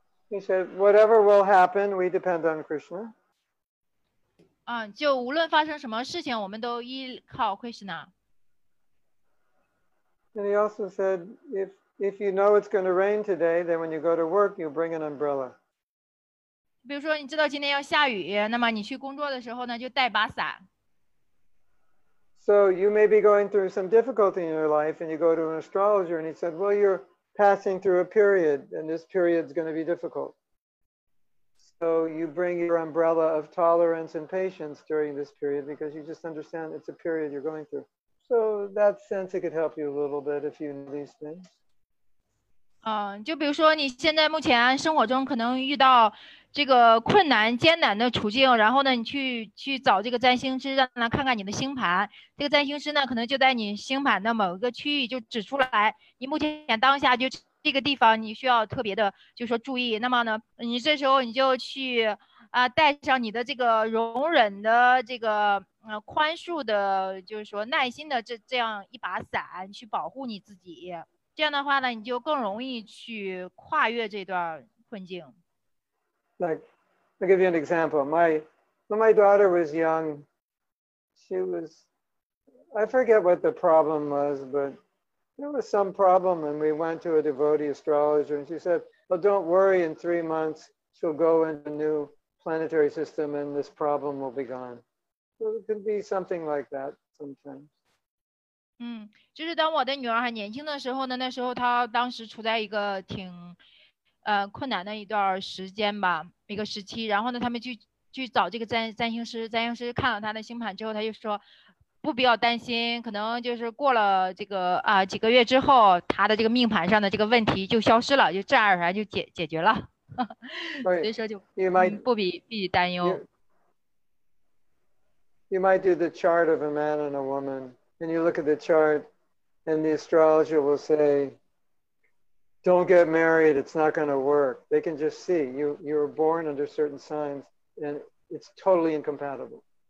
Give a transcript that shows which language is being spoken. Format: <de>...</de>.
<en>He said, whatever will happen, we depend on Krishna.</en> <zh>就无论发生什么事情，我们都依靠 Krishna。</zh> <en>And he also said, if you know it's going to rain today, then when you go to work, you bring an umbrella.</en> <zh>比如说你知道今天要下雨，那么你去工作的时候呢，就带把伞。</zh> <en>So you may be going through some difficulty in your life, and you go to an astrologer, and he said, well, you're passing through a period, and this period's going to be difficult. So you bring your umbrella of tolerance and patience during this period, because you just understand it's a period you're going through. So that sense, it could help you a little bit if you know these things.</en> <zh>就比如说你现在目前生活中可能遇到这个困难艰难的处境，然后呢你去找这个占星师，让他看看你的星盘，这个占星师呢可能就在你星盘的某个区域就指出来你目前当下就这个地方你需要特别的就说注意，那么呢你这时候你就去带上你的这个容忍的这个宽恕的就是说耐心的这样一把伞去保护你自己，这样的话呢你就更容易去跨越这段困境。</zh> <en>Like, I'll give you an example. When my daughter was young, she was, I forget what the problem was, but there was some problem and we went to a devotee astrologer and she said, well, don't worry, in 3 months, she'll go into a new planetary system and this problem will be gone. So it could be something like that sometimes.</en> <zh>就是当我的女儿还年轻的时候呢，那时候她当时处在一个挺困难的一段时间吧，一个时期，然后呢他们去找这个占星师，占星师看了她的星盘之后，他就说不必要担心，可能就是过了这个几个月之后，她的这个命盘上的这个问题就消失了，就自然而然就解决了。所以说就</zh> <en>you might,</en> <zh>不必担忧。</zh> <en>you might do the chart of a man and a womanAnd you look at the chart, and the astrologer will say, don't get married, it's not going to work. They can just see, you were born under certain signs, and it's totally incompatible.</en>